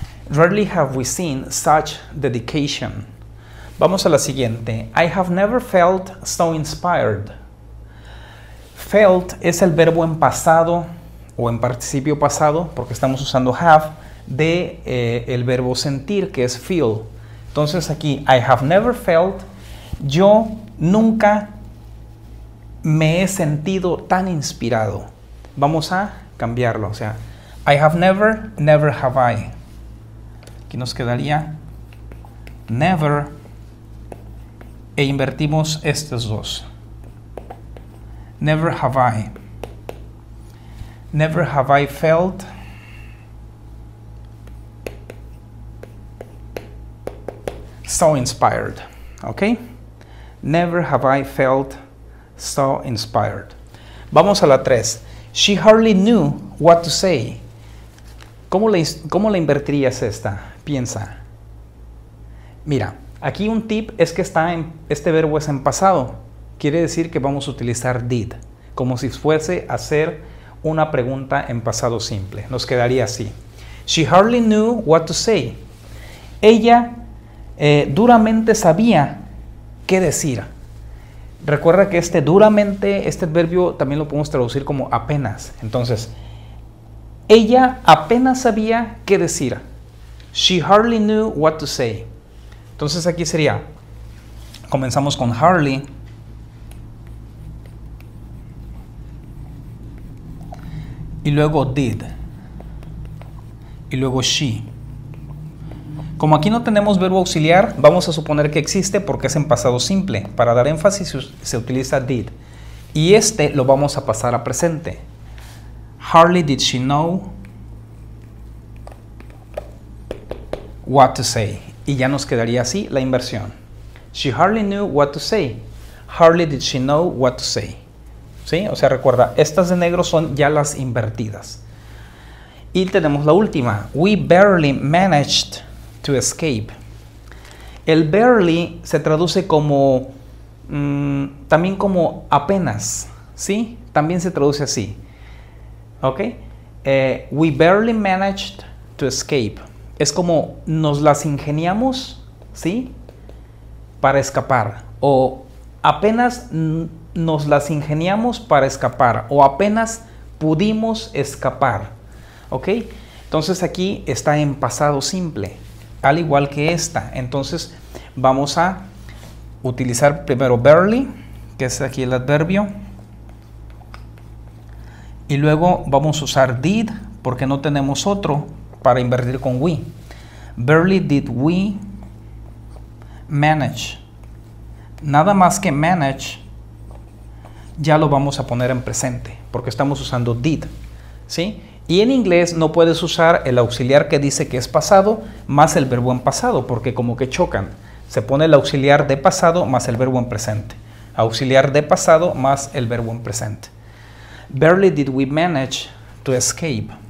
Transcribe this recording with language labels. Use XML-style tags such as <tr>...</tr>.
<en>Rarely have we seen such dedication.</en> <es>Vamos a la siguiente.</es> <en>I have never felt so inspired.</en> <es>Felt es el verbo en pasado o en participio pasado, porque estamos usando have, de el verbo sentir, que es feel. Entonces aquí,</es> <en>I have never felt,</en> <es>yo nunca me he sentido tan inspirado. Vamos a cambiarlo, o sea,</es> <en>I have never, never have I.</en> <es>Aquí nos quedaría never, e invertimos estos dos.</es> <en>Never have I. Never have I felt. So inspired. ¿Ok? Never have I felt so inspired.</en> <es>Vamos a la 3. She hardly knew what to say. ¿Cómo le invertirías esta? Piensa. Mira, aquí un tip es que este verbo es en pasado. Quiere decir que vamos a utilizar did. Como si fuese a hacer una pregunta en pasado simple. Nos quedaría así.</es> <en>She hardly knew what to say.</en> <es>Ella duramente sabía qué decir. Recuerda que este duramente, este adverbio también lo podemos traducir como apenas. Entonces, ella apenas sabía qué decir.</es> <en>She hardly knew what to say.</en> <es>Entonces aquí sería, comenzamos con hardly. Y luego did. Y luego she. Como aquí no tenemos verbo auxiliar, vamos a suponer que existe porque es en pasado simple. Para dar énfasis se utiliza did. Y este lo vamos a pasar a presente.</es> <en>Hardly did she know what to say.</en> <es>Y ya nos quedaría así la inversión.</es> <en>She hardly knew what to say. Hardly did she know what to say.</en> <es>¿Sí? O sea, recuerda, estas de negro son ya las invertidas. Y tenemos la última.</es> <en>We barely managed to escape.</en> <es>El barely se traduce como, también como apenas. ¿Sí? También se traduce así. ¿Ok?</es> <en>We barely managed to escape.</en> <es>Es como nos las ingeniamos, ¿sí? Para escapar. O apenas nos las ingeniamos para escapar, o apenas pudimos escapar, ¿ok? Entonces aquí está en pasado simple, al igual que esta. Entonces vamos a utilizar primero barely, que es aquí el adverbio, y luego vamos a usar did, porque no tenemos otro para invertir con we.</es> <en>Barely did we manage.</en> <es>Nada más que manage, ya lo vamos a poner en presente, porque estamos usando did, ¿sí? Y en inglés no puedes usar el auxiliar que dice que es pasado más el verbo en pasado, porque como que chocan. Se pone el auxiliar de pasado más el verbo en presente. Auxiliar de pasado más el verbo en presente.</es> <en>Barely did we manage to escape.</en>